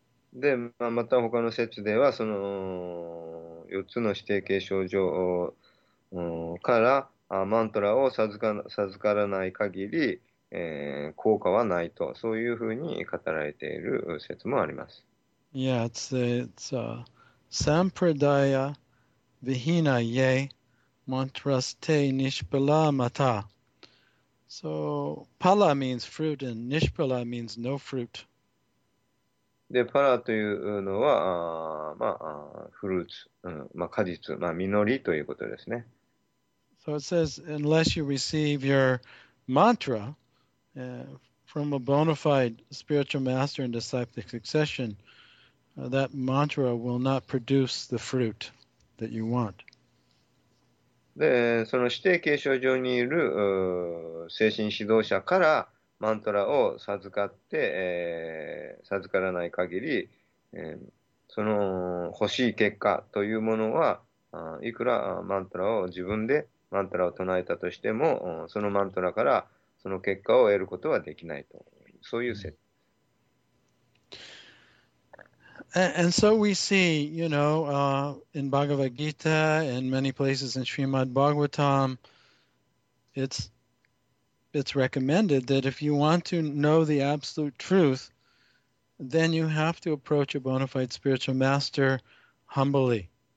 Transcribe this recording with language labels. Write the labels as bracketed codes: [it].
[ja] で、まあ、また他の説では、その四つの指定継承状からマントラを授からない限り、効果はないと、そういうふうに語られている説もあります。 [en] Yeah, it's [sa] Sampradaya Vihina Ye Mantraste Nishpala Mata. [en] So, Pala means fruit and Nishpala means no fruit. [ja] で、パラというのは、まあ、フルーツ、まあ、果実、まあ、実りということですね。 [en] So it says, unless you receive your mantra from a bona fide spiritual master and disciple succession, that mantra will not produce the fruit that you want. [ja] で、その指定継承上にいる精神指導者からマントラを授かって、授からない限り、その欲しい結果というものは、いくらマントラを自分でマントラを唱えたとしても、そのマントラからその結果を得ることはできないと。そういう説。Mm-hmm. [en] And so we see, you know, in Bhagavad Gita and many places in Srimad Bhagavatam, it's recommended that if you want to know the absolute truth, then you have to approach a bona fide spiritual master humbly.